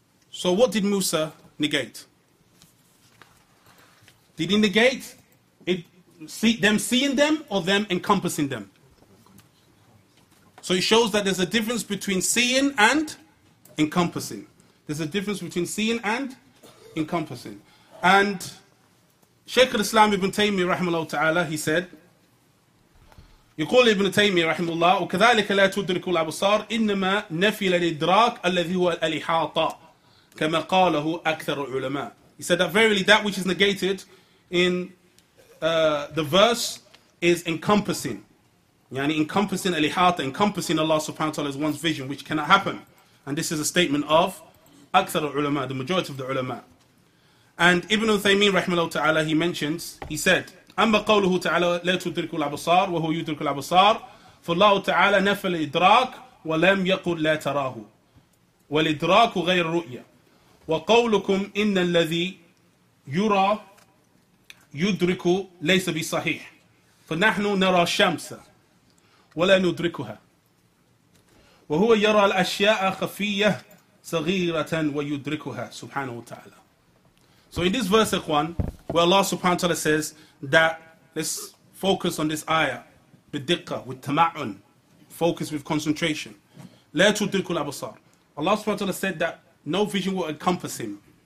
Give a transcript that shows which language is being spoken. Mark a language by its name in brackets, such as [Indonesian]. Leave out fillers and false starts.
[English] So what did Musa negate? Did he negate it, see, them seeing them or them encompassing them? So it shows that there's a difference between seeing and encompassing. There's a difference between seeing and encompassing. And Shaykh al-Islam ibn Taymiyyah rahimahullah ta'ala, he said, [Arabic] يقول ابن تيمية رحمه الله وكذلك لا تدرك الأبصار إنما نفي الإدراك الذي هو الإحاطة كما قاله أكثر العلماء. [English] He said that verily that which is negated in the verse is encompassing. [Arabic] يعني [English] encompassing الإحاطة, encompassing Allah subhanahu wa ta'ala is one's vision, which cannot happen. And this is a statement of [Arabic] أكثر العلماء, [English] the majority of the علماء. [Arabic] And Ibn Uthaymeen رحمه الله تعالى, [English] he mentions, he said, [Arabic] أما قوله تعالى لا تدرك الأبصار وهو يدرك الأبصار فالله تعالى نفى الإدراك ولم يقل لا تراه والإدراك غير رؤية وقولكم إن الذي يرى يدرك ليس بصحيح فنحن نرى الشمس ولا ندركها وهو يرى الأشياء خفية صغيرة ويدركها سبحانه وتعالى. [English] So in this verse, Ikhwan, where Allah subhanahu wa ta'ala says that, let's focus on this ayah, بِدِقَّة, with tama'un, focus with concentration. [Arabic] لَا تُدْرِكُ الْأَبْصَارِ. [English] Allah subhanahu wa ta'ala said that no vision will encompass him.